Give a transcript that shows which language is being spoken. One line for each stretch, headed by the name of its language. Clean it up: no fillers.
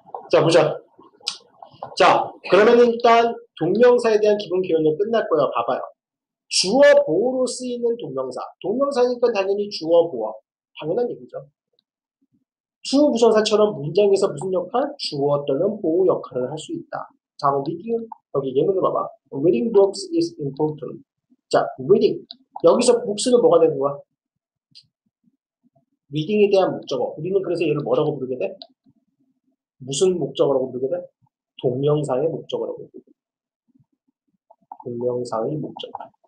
Korean: 자, 보자. 자, 그러면 일단 동명사에 대한 기본 개념은 끝날 거야. 봐봐요. 주어 보어로 쓰이는 동명사. 동명사니까 당연히 주어 보어. 당연한 얘기죠. 주 부정사처럼 문장에서 무슨 역할? 주어 또는 보어 역할을 할 수 있다. 자, 여기 예문을 봐봐.
English: Reading books is important.
Korean: 자, reading. 여기서 books는 뭐가 되는 거야? reading에 대한 목적어. 우리는 그래서 얘를 뭐라고 부르게 돼? 무슨 목적어라고 부르게 돼? 동명사의 목적어라고 부르게 돼. 동명사의 목적어.